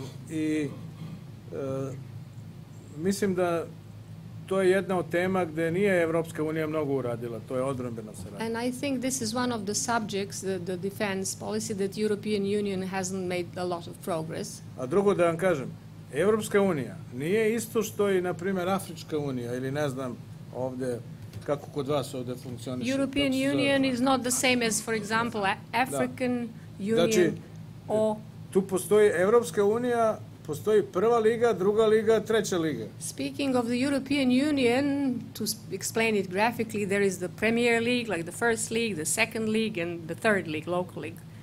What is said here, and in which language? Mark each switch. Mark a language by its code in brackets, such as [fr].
[sr] I mislim da to je jedna od tema gde nije Evropska unija mnogo uradila. To je odbrambena saradnja. [en] And I think this is one of the subjects, the defense policy, that European Union hasn't made a lot of progress. [sr] A drugo da vam kažem, Evropska unija nije isto što I, na primer, Afrička unija ili ne znam ovde, kako kod vas ovde funkcioniše. [en] European Union is not the same as, for example, African Union. [sr] Tu postoji Evropska unija, postoji prva liga, druga liga, treća liga. [en] Speaking of the European Union, to explain it graphically, there is the Premier League, like the first league, the second league, and the third league, local league.